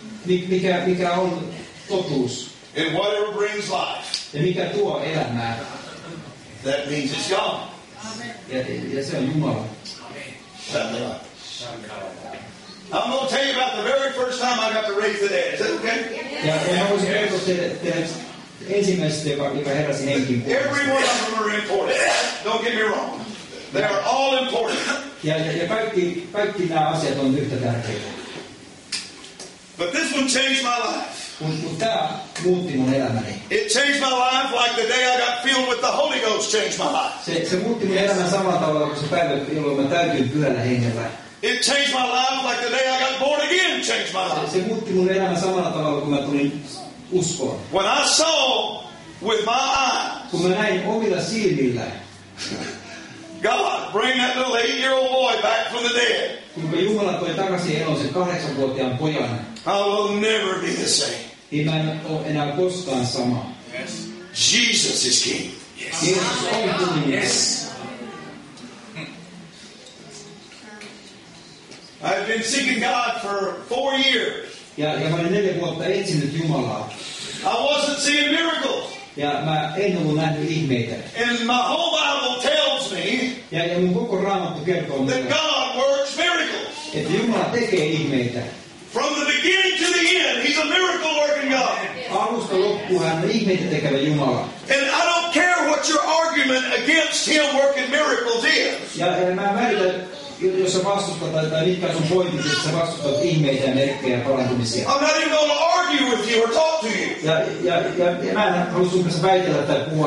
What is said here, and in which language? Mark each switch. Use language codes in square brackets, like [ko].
[fi] mikä on totuus, [en] and whatever brings life, [fi] ja mikä tuo elämää, [en] that means it's God. [fi] Amen. Ja se on Jumala. [en] Amen. I'm going to tell you about the very first time I got to raise the dead. Is that okay? Yeah. And I was able to tell that. [fi] Ensimmäistä, joka heräsi henkiin. [en] Everyone of them are important. Don't get me wrong. They are all important. [fi] Ja kaikki nämä asiat on yhtä tärkeitä. [en] But this one changed my life. [fi] Tämä muutti mun elämäni. [en] It changed my life like the day I got filled with the Holy Ghost changed my life. [fi] Se muutti mun elämän samalla tavalla kuin se päivä, jolloin mä täytyin Pyhällä Hengellä. [en] It changed my life like the day I got born again changed my life. [fi] Se muutti mun elämän samalla tavalla kuin mä tulin uskoon. [en] When I saw with my eyes, [fi] kun mä näin omilla silmillä, [en] God, bring that little 8-year-old boy back from the dead. [fi] Kun Jumala toi takaisin eloisen 8-vuotiaan pojan. [en] I will never be the same. [fi] Mä en ole enää koskaan sama. [en] Yes. Jesus is King. [fi] Yes. Jesus on kuningas. [en] Yes. I've been seeking God for 4 years. [fi] Ja mä olin 4 vuotta etsinyt Jumalaa. [en] I wasn't seeing miracles. [fi] Ja mä en ollut nähnyt ihmeitä. [en] And my whole Bible tells me [fi] ja mun koko Raamattu kertoo [en] that [fi] mulle, [en] God works miracles. [fi] Että Jumala tekee ihmeitä. [en] From the beginning to the end, he's a miracle working God. [fi] Alusta loppuun hän on ihmeitä tekevä Jumala. [en] And I don't care what your argument against him working miracles is. [fi] Ja mä väitän, jos sä vastustat tai mitkä sun pointit, että sä vastustat ihmeitä ja merkkejä parantumisia. [en] I'm not even going to argue with you or talk to you. [fi] Ja mä en halua sun kanssa väitellä tai puhua.